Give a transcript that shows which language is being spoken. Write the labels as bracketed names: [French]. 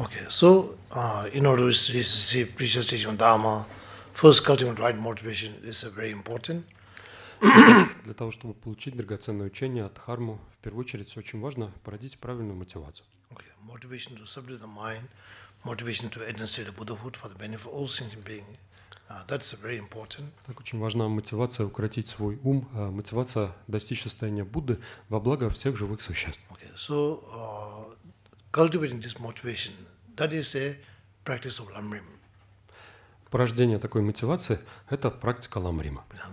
[English] So, in order to see precious teaching Dharma, first cultivating right motivation is very important. [Russian] Для того чтобы получить драгоценное учение от Дхарму, в первую очередь очень важно породить правильную мотивацию. [English] Okay, motivation to subdue the mind, motivation to enter the Buddhahood for the benefit of all sentient beings. That's very important. [Russian] Так очень важна мотивация укротить свой ум, мотивация достичь состояния Будды во благо всех живых существ. [English] Okay, so cultivating this motivation. That is a practice of lamrim. [Russian] Порождение такой мотивации – это практика ламрима.